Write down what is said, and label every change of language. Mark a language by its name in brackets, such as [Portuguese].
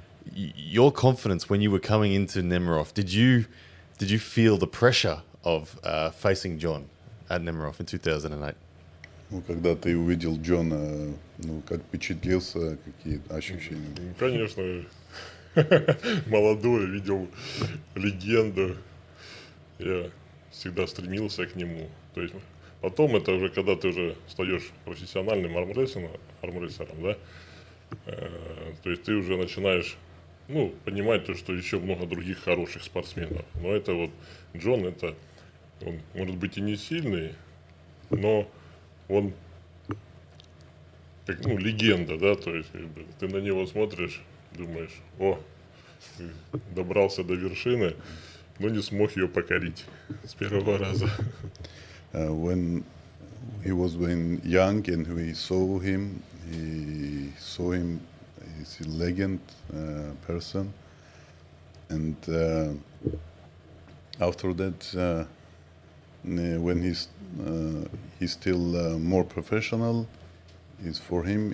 [English] Your confidence when you were coming into Nemirov, did you feel the pressure of facing John at Nemirov in 2008? [Russian] Ну когда ты увидел Джона, ну как впечатлился, какие ощущения? Ну конечно, молодой, видел легенду. Я всегда стремился к нему. То есть потом это уже, когда ты уже стаешь профессиональным армрессером, да, то есть ты уже начинаешь, ну, понимать то, что еще много других хороших спортсменов. Но это вот Джон, это он может быть и не сильный, но он как, ну, легенда, да, то есть как бы, ты на него смотришь, думаешь, о, добрался до вершины, но не смог ее покорить с первого раза. [English] When he was when young and we saw him, he saw him as a legend person, and after that, when he's still more professional, it's for him.